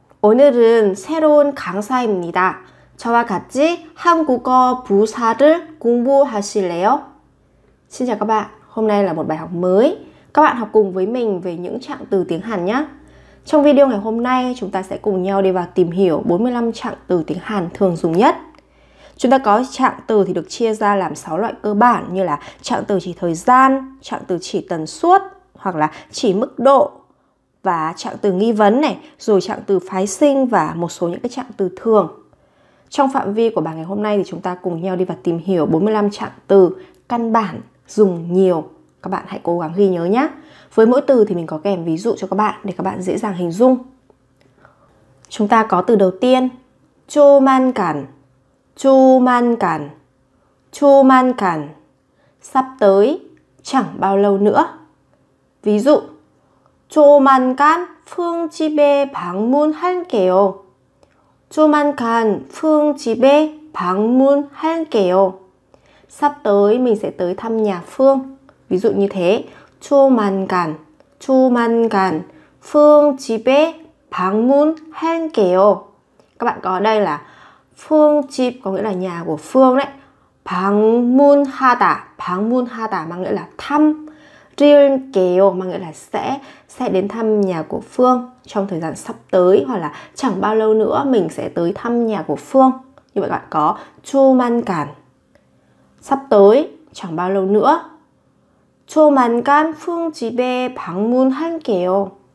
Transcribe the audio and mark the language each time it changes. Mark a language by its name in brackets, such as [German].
[Korean] 오늘은 새로운 강사입니다. 저와 같이 한국어 부사를 공부하실래요? [Vietnamese] Xin chào các bạn. Hôm nay là một bài học mới. Các bạn học cùng với mình về những trạng từ tiếng Hàn nhé. Trong video ngày hôm nay, chúng ta sẽ cùng nhau đi vào tìm hiểu 45 trạng từ tiếng Hàn thường dùng nhất. Chúng ta có trạng từ thì được chia ra làm 6 loại cơ bản như là trạng từ chỉ thời gian, trạng từ chỉ tần suất hoặc là chỉ mức độ, và trạng từ nghi vấn này, rồi trạng từ phái sinh và một số những cái trạng từ thường. Trong phạm vi của bài ngày hôm nay thì chúng ta cùng nhau đi vào tìm hiểu 45 trạng từ căn bản dùng nhiều. Các bạn hãy cố gắng ghi nhớ nhé. Với mỗi từ thì mình có kèm ví dụ cho các bạn để các bạn dễ dàng hình dung. Chúng ta có từ đầu tiên, 조만간, 조만간, 조만간, sắp tới, chẳng bao lâu nữa. Ví dụ, [Korean] 조만간 Phương 집에 방문할게요. 조만간 Phương 집에 방문할게요. [Vietnamese] Sắp tới mình sẽ tới thăm nhà Phương. Ví dụ như thế. [Korean] 조만간 조만간 Phương 집에 방문할게요. [Vietnamese] Các bạn có ở đây là Phương 집 có nghĩa là nhà của Phương đấy. 방문하다 mang nghĩa là thăm. 릴게요 mang nghĩa là sẽ đến thăm nhà của Phương trong thời gian sắp tới, hoặc là chẳng bao lâu nữa mình sẽ tới thăm nhà của Phương. Như vậy các bạn có 조만간, sắp tới, chẳng bao lâu nữa. [Korean] 조만간 Phương 집에 방문할게요.